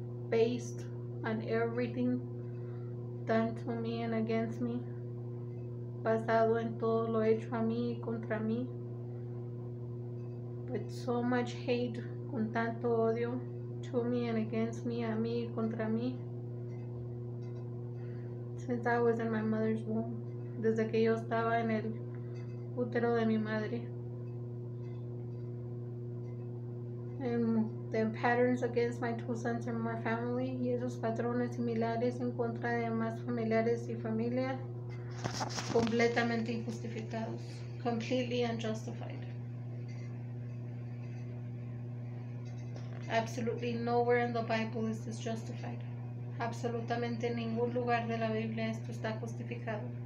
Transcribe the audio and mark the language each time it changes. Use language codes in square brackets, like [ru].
[en] Based on everything done to me and against me. [es] Basado en todo lo hecho a mí y contra mí. [en] With so much hate, [es] con tanto odio, [en] to me and against me, [es] a mí y contra mí. [en] Since I was in my mother's womb. [es] Desde que yo estaba en el útero de mi madre. [en] And the patterns against my two sons and my family. [es] Y esos patrones similares en contra de más familiares y familia. Completamente injustificados. [en] Completely unjustified. Absolutely nowhere in the Bible is this justified. [es] Absolutamente en ningún lugar de la Biblia esto está justificado.